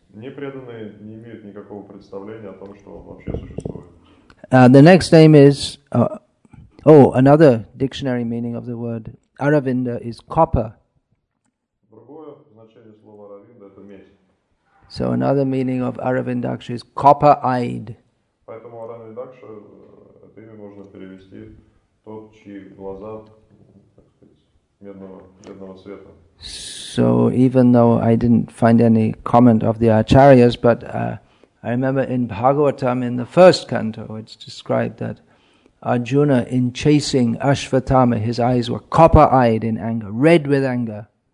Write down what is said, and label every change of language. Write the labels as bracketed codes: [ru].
[ru] Непреданные не имеют никакого представления о том, что он вообще существует. [en] The next name is another dictionary meaning of the word Aravinda is copper. [ru] Другое значение слова Aravinda — это медь. [en] So another meaning of Aravindaksha is copper-eyed. [ru] Поэтому Aravindaksha — это имя можно перевести тот, чьи глаза, так сказать, медного цвета. [en] So even though I didn't find any comment of the Acharyas, but I remember in Bhagavatam, in the first canto, it's described that Arjuna, in chasing Ashvatthama, his eyes were copper-eyed in anger, red with anger.